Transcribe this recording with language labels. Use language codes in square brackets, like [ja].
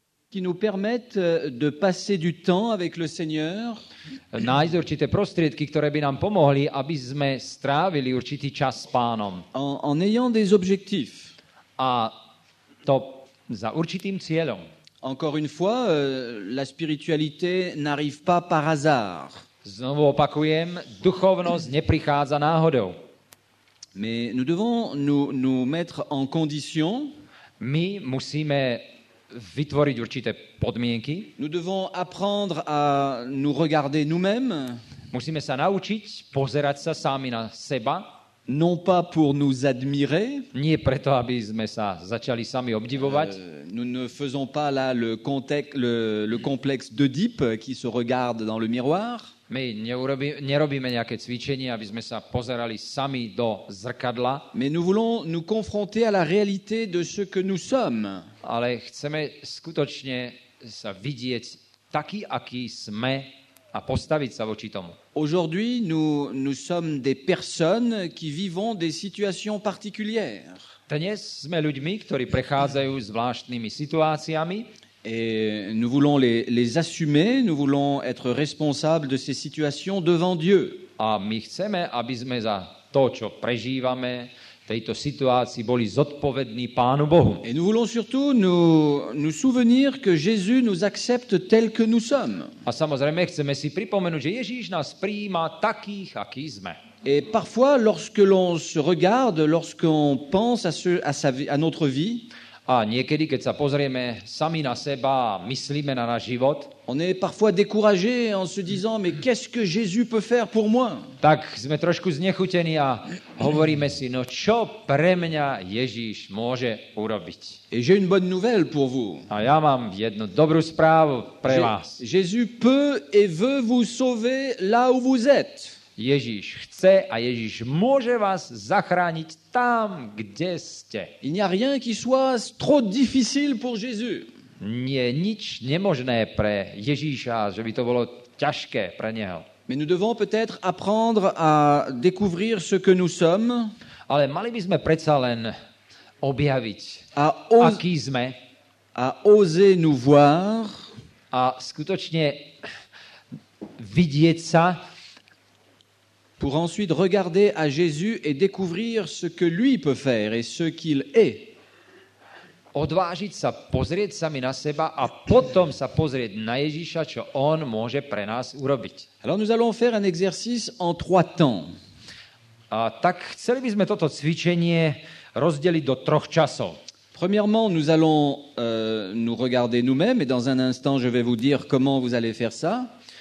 [fr] qui nous permettent de passer du temps avec le Seigneur. [sk] Nájsť určité prostriedky, ktoré by nám pomohli, aby sme strávili určitý čas s Pánom. [fr] En ayant des objectifs. [sk] A to za určitým cieľom. [fr] Encore une fois, la spiritualité n'arrive pas par hasard. [sk] Znovu opakujem, duchovnosť neprichádza náhodou. [fr] Mais nous devons nous mettre en condition. [sk] My musíme vytvoriť určité podmienky. [fr] Nous devons apprendre à nous regarder nous-mêmes. [sk] Musíme sa naučiť pozerať sa sami na seba. [fr] Non pas pour nous admirer. [sk] Nie preto, aby sme sa začali sami obdivovať. [fr] Nous ne faisons pas là le complexe d'Oedipe qui se regarde dans le miroir. [sk] My nerobíme nejaké cvičenie, aby sme sa pozerali sami do zrkadla. [fr] Mais nous voulons nous confronter à la réalité de ce que nous sommes. [sk] Ale chceme skutočne sa vidieť taký, aký sme a postaviť sa voči tomu. [fr] Aujourd'hui, nous sommes des personnes qui vivons des situations particulières. [sk] Dnes sme ľuďmi, ktorí prechádzajú zvláštnymi situáciami. [fr] Et nous voulons les assumer, nous voulons être responsables de ces situations devant Dieu. [sk] A my chceme, aby sme za to, čo prežívame, tejto situácii boli zodpovední Pánu Bohu. [fr] Et nous voulons surtout nous souvenir que Jésus nous accepte tel que nous sommes. [sk] A samozrejme chceme si pripomenúť, že Ježíš nás prijíma takých, akí sme. [fr] Et parfois lorsque l'on se regarde, lorsqu'on pense à notre vie, [sk] a niekedy keď sa pozrieme sami na seba, a myslíme na náš život, [fr] on est parfois découragé en se disant mais qu'est-ce que Jésus peut faire pour moi? [sk] Tak sme trošku znechutení a hovoríme si no čo pre mňa Ježíš môže urobiť. [fr] Et j'ai une bonne nouvelle pour vous. [sk] A ja mám jednu dobrú správu pre vás. [fr] Jésus peut et veut vous sauver là où vous êtes. [sk] Ježíš chce a Ježíš môže vás zachrániť tam, kde ste. [fr] Il n'y a rien qui soit trop difficile pour Jésus. [sk] Nie nič nemožné pre Ježíša, že by to bolo ťažké pre neho. [fr] Mais nous devons peut-être apprendre à découvrir ce que nous sommes. [sk] Ale mali by sme predsa len objaviť, akí sme. [fr] A oser nous voir. [sk] A skutočne vidieť sa. [fr] Pour ensuite regarder à Jésus et découvrir ce que lui peut faire et ce qu'il est. [sk] Odvážiť sa, pozrieť sami na seba a potom sa pozrieť na Ježíša, čo on môže pre nás urobiť. [fr] Alors nous allons faire un exercice en trois temps. [sk] A tak chceli by sme toto cvičenie rozdeliť do troch časov. [fr] Premièrement, nous allons nous regarder nous-mêmes et dans un instant je vais vous dire comment vous allez faire ça.